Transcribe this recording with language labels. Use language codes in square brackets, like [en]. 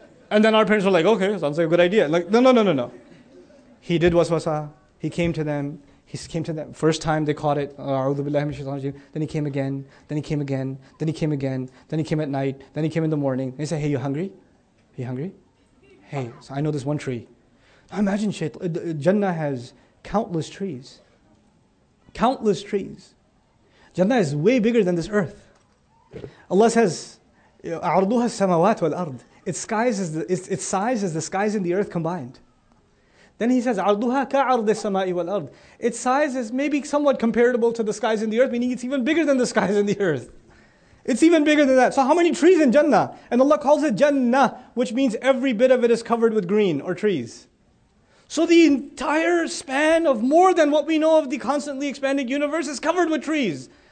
[en] And then our parents were like, okay, sounds like a good idea. Like, no. He did waswasa, he came to them, he came to them, first time they caught it, then he came again, then he came again, then he came again, then he came at night, then he came in the morning. They said, hey, you hungry? Are you hungry? Hey, so I know this one tree. Now imagine Jannah has countless trees. Countless trees. Jannah is way bigger than this earth. Allah says, [ar] أَعْرْضُهَا السَّمَوَاتُ وَالْأَرْضِ. [en] Its size is the skies and the earth combined. Then he says, [ar] عَرْضُهَا كَعَرْضِ السَّمَاءِ وَالْأَرْضِ. [en] Its size is maybe somewhat comparable to the skies and the earth, meaning it's even bigger than the skies and the earth. It's even bigger than that. So how many trees in Jannah? And Allah calls it Jannah, which means every bit of it is covered with green or trees. So the entire span of more than what we know of the constantly expanding universe is covered with trees.